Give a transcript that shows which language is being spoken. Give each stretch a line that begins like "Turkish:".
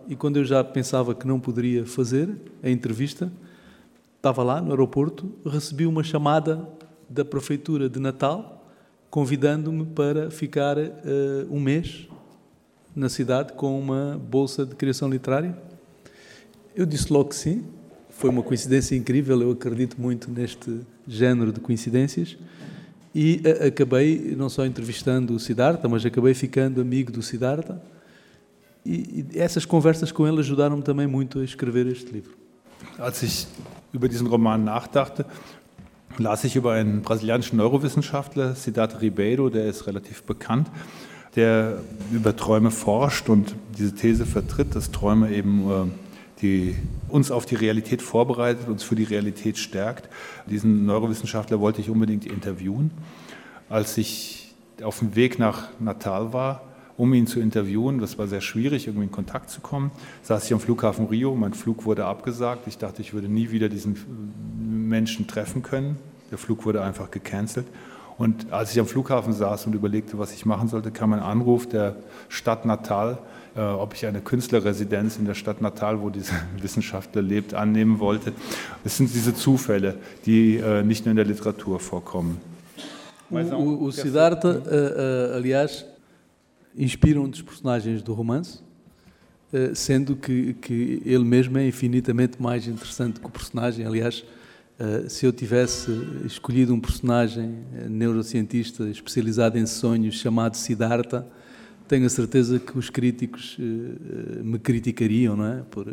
Portuguese: E quando eu já pensava que não poderia fazer a entrevista, estava lá no aeroporto, recebi uma chamada da prefeitura de Natal convidando-me para ficar um mês na cidade com uma bolsa de criação literária. Eu disse logo que sim. Foi uma coincidência incrível, eu acredito muito neste género de coincidências. E acabei não só entrevistando o Siddhartha, mas acabei ficando amigo do Siddhartha. E essas conversas com ele ajudaram-me também muito a escrever este livro.
German: Als ich über diesen Roman nachdachte, las ich über einen brasilianischen Neurowissenschaftler, Siddhartha Ribeiro, der ist relativ bekannt, der über Träume forscht und diese These vertritt, dass Träume eben die uns auf die Realität vorbereitet, uns für die Realität stärkt. Diesen Neurowissenschaftler wollte ich unbedingt interviewen. Als ich auf dem Weg nach Natal war, um ihn zu interviewen, das war sehr schwierig, irgendwie in Kontakt zu kommen, saß ich am Flughafen Rio, mein Flug wurde abgesagt. Ich dachte, ich würde nie wieder diesen Menschen treffen können. Der Flug wurde einfach gecancelt. Und als ich am Flughafen saß und überlegte, was ich machen sollte, kam ein Anruf der Stadt Natal, ob ich eine Künstlerresidenz in der Stadt Natal, wo dieser Wissenschaftler lebt, annehmen wollte. Es sind diese Zufälle, die nicht nur in der Literatur vorkommen.
Portuguese: O Siddhartha, aliás, inspira um dos personagens do romance, sendo que ele mesmo é infinitamente mais interessante que o personagem. Aliás, se eu tivesse escolhido um personagem neurocientista especializado em sonhos chamado Siddhartha, tenho a certeza que os críticos me criticariam, não é?